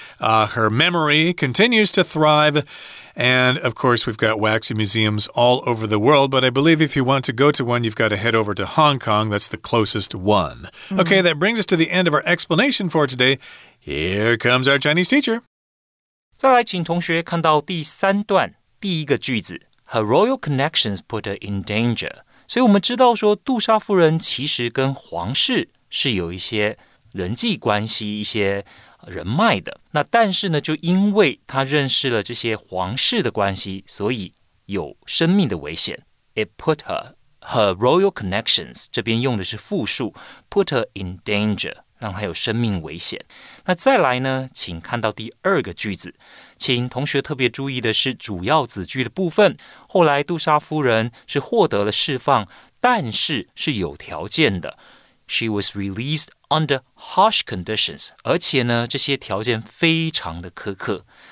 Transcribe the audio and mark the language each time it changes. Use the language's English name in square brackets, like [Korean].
[English] Her memory continues to thrive. And, of course, we've got waxy museums all over the world. But I believe if you want to go to one, you've got to head over to Hong Kong. That's the closest one. Mm-hmm. Okay, that brings us to the end of our explanation for today. Here comes our Chinese teacher. [Chinese] 再来请同学看到第三段第一个句子。 [English] Her royal connections put her in danger. [Chinese] 所以我们知道说杜莎夫人其实跟皇室是有一些人际关系一些人脉的那但是呢就因为她认识了这些皇室的关系所以有生命的危险 It put her royal connections 这边用的是复数 put her in danger 让她有生命危险那再来呢请看到第二个句子请同学特别注意的是主要子句的部分后来杜莎夫人是获得了释放但是是有条件的 [English] She was released under harsh conditions [Chinese] 而且呢这些条件非常的苛刻